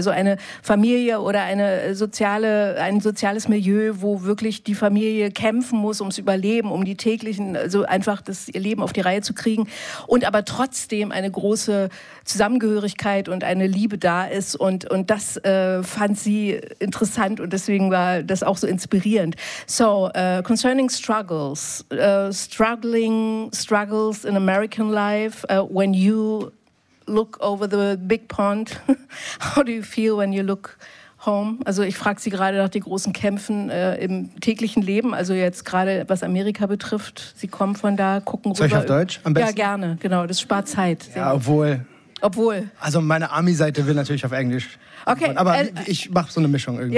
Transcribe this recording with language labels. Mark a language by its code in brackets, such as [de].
[de] Also eine Familie oder ein soziales Milieu, wo wirklich die Familie kämpfen muss ums Überleben, um die täglichen, also einfach das ihr Leben auf die Reihe zu kriegen. Und aber trotzdem eine große Zusammengehörigkeit und eine Liebe da ist. Und das fand sie interessant und deswegen war das auch so inspirierend. [en] So, concerning struggles, struggles in American life, when you look over the big pond, how do you feel when you look home? [de] Also ich frage Sie gerade nach den großen Kämpfen im täglichen Leben, also jetzt gerade was Amerika betrifft. Sie kommen von da, gucken rüber. Soll ich auf Deutsch am besten? Ja, gerne, genau, das spart Zeit. Ja, obwohl. Obwohl. Also meine Ami-Seite will natürlich auf Englisch. Okay. Aber ich mache so eine Mischung irgendwie.